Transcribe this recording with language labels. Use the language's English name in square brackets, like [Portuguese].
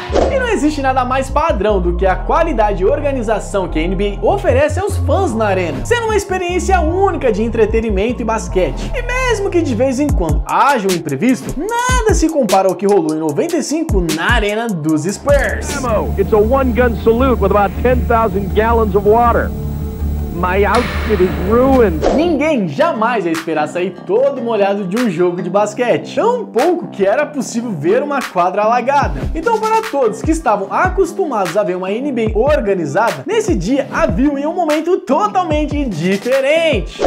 [Portuguese] Não existe nada mais padrão do que a qualidade e organização que a NBA oferece aos fãs na arena, sendo uma experiência única de entretenimento e basquete. E mesmo que de vez em quando haja um imprevisto, nada se compara ao que rolou em 95 na arena dos Spurs. [English] It's a one-gun salute with about 10,000 gallons of water. My outfit is ruined. [Portuguese] Ninguém jamais ia esperar sair todo molhado de um jogo de basquete. Tão pouco que era possível ver uma quadra alagada. Então, para todos que estavam acostumados a ver uma NBA organizada, nesse dia havia em um momento totalmente diferente.